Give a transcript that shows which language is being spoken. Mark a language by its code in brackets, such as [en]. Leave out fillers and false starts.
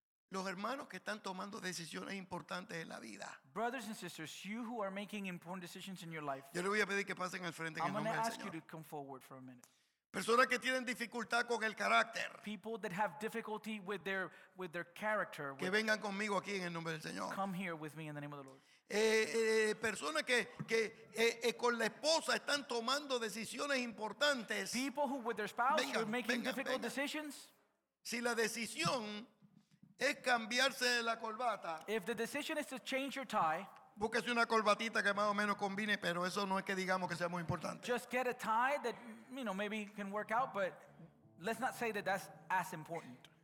[es] los hermanos que están tomando decisiones importantes en la vida. [en] Brothers and sisters, you who are making important decisions in your life. [es] Yo le voy a pedir que pasen al frente en el nombre del Señor. [en] I'm going to ask you to come forward for a minute. [es] Personas que tienen dificultad con el carácter. [en] People that have difficulty with their character. [es] Que vengan conmigo aquí en el nombre del Señor. [en] Come here with me in the name of the Lord. [es] Personas que con la esposa están tomando decisiones importantes. [en] People who with their spouse [es] vengan, [en] are making [es] vengan, [en] difficult [es] vengan. [en] Decisions. [es] Si la decisión es cambiarse la corbata. [en] If the decision is to change your tie. [es] Búsquese una corbatita que más o menos combine, pero eso no es que digamos que sea muy importante. [en] Just get a tie that, you know, maybe can work out, but let's not say that that's as important.